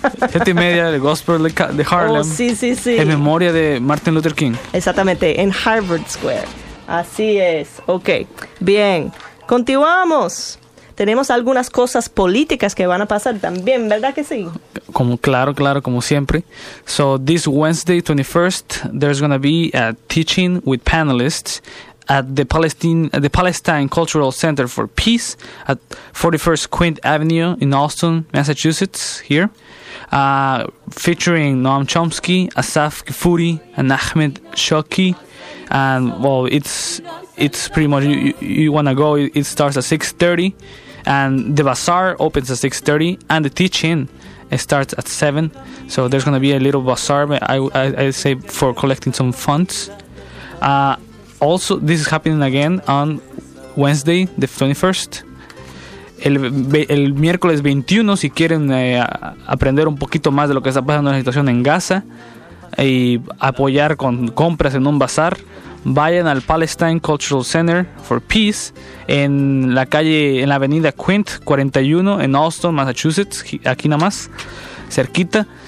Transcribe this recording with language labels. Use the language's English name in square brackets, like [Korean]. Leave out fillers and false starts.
[Spanish] 7:30, el gospel de Harlem. Oh, sí. En memoria de Martin Luther King. Exactamente, en Harvard Square. Así es. Ok, bien. Continuamos. Tenemos algunas cosas políticas que van a pasar también, ¿verdad que sí? Claro, como siempre. [English] So, this Wednesday, 21st, there's going to be a teaching with panelists at the Palestine Cultural Center for Peace at 41st Quint Avenue in Austin, Massachusetts, here, featuring Noam Chomsky, Asaf Kifuri, and Ahmed Shoki. And, well, it's pretty much, you want to go, it starts at 6:30, and the bazaar opens at 6:30, and the teach-in starts at 7. So there's going to be a little bazaar, I say, for collecting some funds. Also, this is happening again on Wednesday, the 21st. [Spanish] El miércoles 21, si quieren aprender un poquito más de lo que está pasando en la situación en Gaza y apoyar con compras en un bazar, vayan al Palestine Cultural Center for Peace en la calle, en la avenida Quint 41 en Austin, Massachusetts, aquí nada más, cerquita.